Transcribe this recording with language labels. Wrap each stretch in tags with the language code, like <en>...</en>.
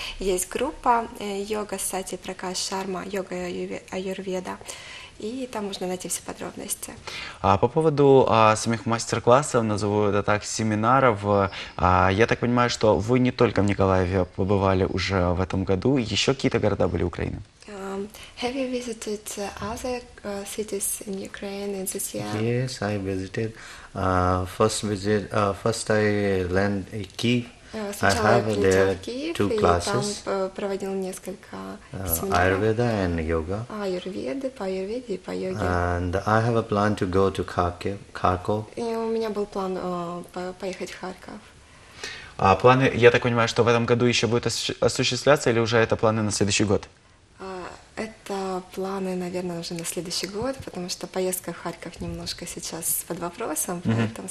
<ru>Есть группа «Йога с Сатьей Пракаш Шарма», «Йога и Аюрведа». И там можно найти все подробности. По поводу самих мастер-классов, назову это так, семинаров, я так понимаю, что вы не только в Николаеве побывали уже в этом году, еще какие-то города были Украины?</ru> <en>Have you visited other cities in Ukraine in this year? Yes, I visited. First I land in Kyiv. I have there two classes.</en> <ru>Проводил несколько семинаров. Аюрведа и йога. Аюрведы, по аюрведе и по йоге.</ru> <en>And I have a plan to go to Kharkiv.</en> <ru>И у меня был план поехать в Харьков. А планы, я так понимаю, что в этом году еще будет осуществляться или уже это планы на следующий год? Это планы, наверное, уже на следующий год, потому что поездка в Харьков немножко сейчас под вопросом, поэтому, mm-hmm.</ru>